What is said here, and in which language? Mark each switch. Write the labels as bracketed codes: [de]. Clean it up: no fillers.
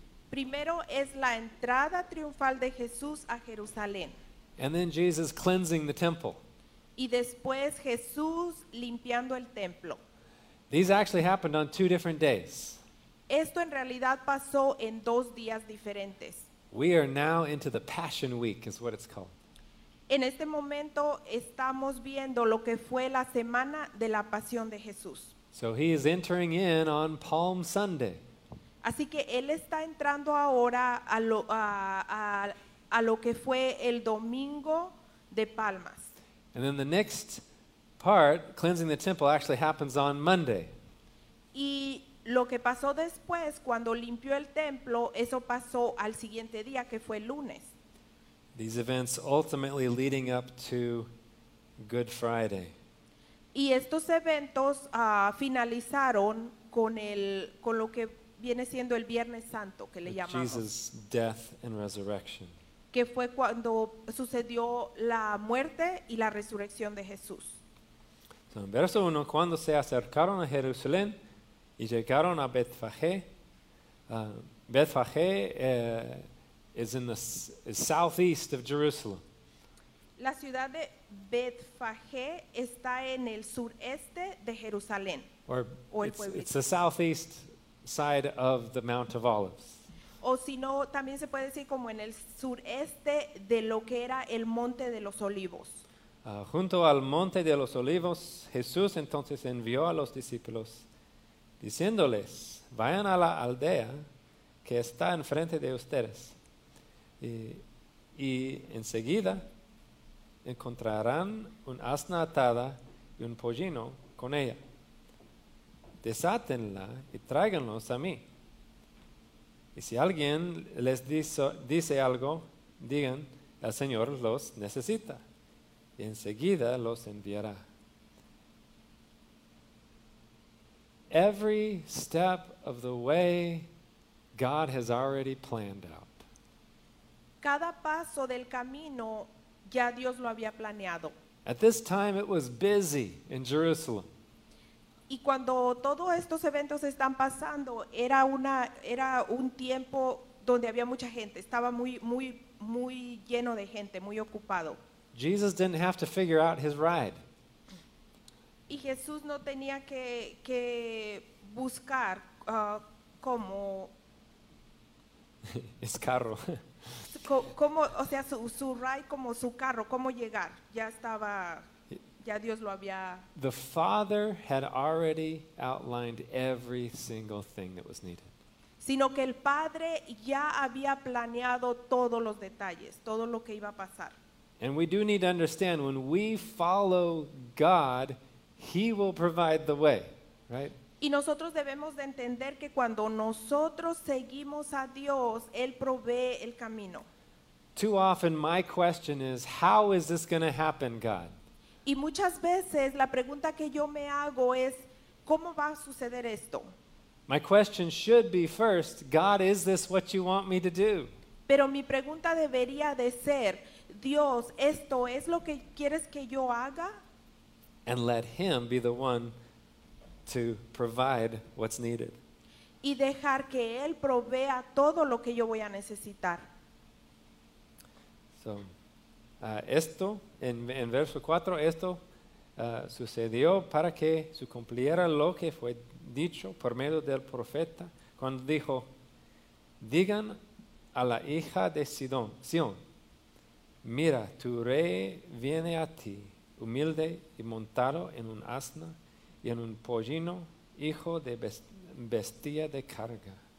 [es] Primero es la entrada triunfal de Jesús a Jerusalén. [en] And then Jesus cleansing the temple. [es] Y después Jesús limpiando el templo. [en] These actually happened on two different days. [es] Esto en realidad pasó en dos días diferentes. [en] We are now into the Passion Week, is what it's called. [es] En este momento estamos viendo lo que fue la semana de la Pasión de Jesús. [en] So he is entering in on Palm Sunday. [es] Así que él está entrando ahora a lo que fue el domingo de palmas. [en] And then the next part, cleansing the temple, actually happens on Monday. [es] Y lo que pasó después, cuando limpió el templo, eso pasó al siguiente día, que fue el lunes. [en] These events ultimately leading up to Good Friday. [es] Y estos eventos finalizaron con lo que viene siendo el Viernes Santo, que le llamamos. [en] Jesus' death and resurrection. [es] Que fue cuando sucedió la muerte y la resurrección de Jesús. So en verso 1, cuando se acercaron a Jerusalén y llegaron a Betfagé. [en] Betfagé is southeast of Jerusalem. [es] La ciudad de Betfagé está en el sureste de Jerusalén. [en] It's the southeast side of the Mount of Olives. [es] O si no, también se puede decir como en el sureste de lo que era el Monte de los Olivos. Junto al Monte de los Olivos, Jesús entonces envió a los discípulos diciéndoles, vayan a la aldea que está enfrente de ustedes y enseguida encontrarán un asna atada y un pollino con ella. Desátenla y tráiganlos a mí. Y si alguien les dice algo, digan, el Señor los necesita. Y enseguida los enviará. [en] Every step of the way God has already planned out. [es] Cada paso del camino ya Dios lo había planeado. [en] At this time it was busy in Jerusalem. [es] Y cuando todos estos eventos están pasando, era un tiempo donde había mucha gente, estaba muy muy muy lleno de gente, muy ocupado. [en] Jesus didn't have to figure out his ride. [es] Y Jesús no tenía que buscar cómo es carro. su ride, como su carro, cómo llegar. Ya Dios lo había. [en] The Father had already outlined every single thing that was needed. [es] Sino que el Padre ya había planeado todos los detalles, todo lo que iba a pasar. [en] And we do need to understand, when we follow God, He will provide the way, right? [es] Y nosotros debemos de entender que cuando nosotros seguimos a Dios, Él provee el camino. [en] Too often my question is, how is this going to happen, God? [es] Y muchas veces la pregunta que yo me hago es, ¿cómo va a suceder esto? [en] My question should be first, God, is this what you want me to do? [es] Pero mi pregunta debería de ser, Dios, ¿esto es lo que quieres que yo haga? [en] And let him be the one to provide what's needed. [es] Y dejar que él provea todo lo que yo voy a necesitar. So, esto, en verso 4, esto sucedió para que se cumpliera lo que fue dicho por medio del profeta, cuando dijo, digan a la hija de Sión, mira, tu rey viene a ti, humilde y montado en un asna y en un pollino, hijo de bestia de carga.